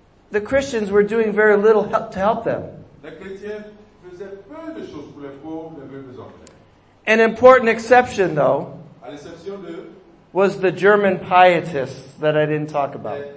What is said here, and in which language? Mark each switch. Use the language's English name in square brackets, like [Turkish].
[English] the Christians were doing very little help to help them. [French] Les chrétiens faisaient peu de choses pour les pauvres, les veuves, les orphelins. [English] An important exception, though, [French] à l'exception de, [English] was the German pietists that I didn't talk about.